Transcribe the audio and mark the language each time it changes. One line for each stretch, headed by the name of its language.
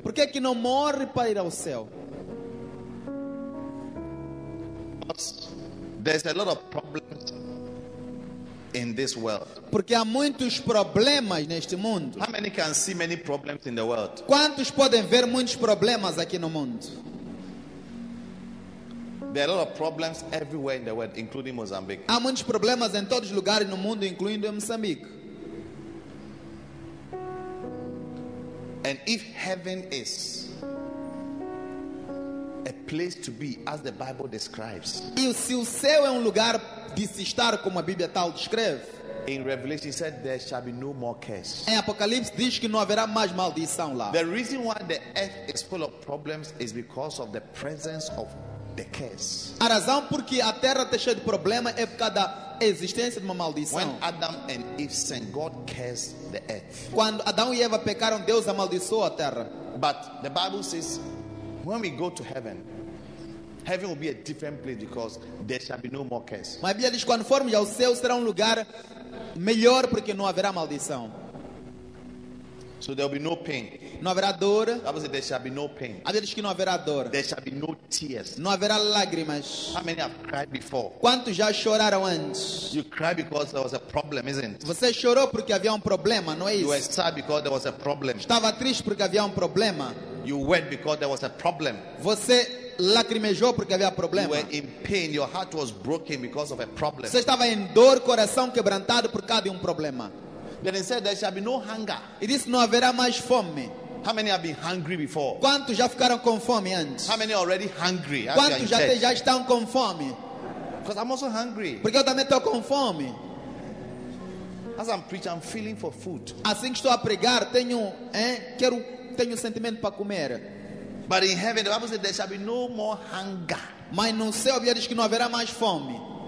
Portuguese: Por que que não morre para ir ao céu?
English: There's a lot of problems in this world.
Portuguese: Porque há muitos problemas neste mundo.
English: How many can see many problems in the world?
Portuguese: Quantos podem ver muitos problemas aqui no mundo?
English: There are a lot of problems everywhere in the world, including Mozambique.
Portuguese: Há muitos problemas em todos os lugares no mundo, incluindo Moçambique.
English: And if heaven is a place to be, as the Bible describes.
Portuguese: E se o céu é lugar de se estar, como a Bíblia tal descreve.
English: In Revelation, it said there shall be no more curse.
Portuguese: Em Apocalipse diz que não haverá mais maldição lá.
English: The reason why the earth is full of problems is because of the presence of the curse.
Portuguese: A razão porque a terra está cheia de problemas é por causa da existência de uma maldição.
English: When Adam and Eve sinned, God cursed the earth.
Portuguese: Quando Adão e Eva pecaram, Deus amaldiçoou a terra.
English: But the Bible says, when we go to heaven, heaven will be a different place because there shall be no more curse.
Portuguese: Mas a Bíblia diz que quando formos ao céu será lugar melhor porque não haverá maldição.
English: So there will be no pain.
Portuguese: Não haverá dor.
English: There shall be no pain.
Portuguese: A Bíblia diz que não haverá dor.
English: There shall be no tears.
Portuguese: Não haverá lágrimas.
English: How many have cried before?
Portuguese: Quantos já choraram antes?
English: You cry because there was a problem, isn't it?
Portuguese: Você chorou porque havia problema, não é isso?
English: You were sad because there was a problem.
Portuguese: Estava triste porque havia problema.
English: You wept because there was a problem.
Portuguese: Você lacrimejou porque havia problema.
English: You were in pain, your heart was broken because of a problem.
Portuguese: Você estava em dor, coração quebrantado por causa de problema.
English: Then he said there shall be no hunger.
Portuguese: E disse, não haverá mais fome.
English: How many have been hungry before?
Portuguese: Quantos já ficaram com fome antes?
English: How many already hungry?
Portuguese: Quantos já estão com fome?
English: Because I'm also hungry.
Portuguese: Porque eu também estou com fome.
English: As I'm preaching, I'm feeling for food.
Portuguese: Assim que estou a pregar, tenho um sentimento para comer.
English: But in heaven, the Bible said there shall be no more hunger.
Portuguese: Mas no céu, a Bíblia diz que não haverá mais fome.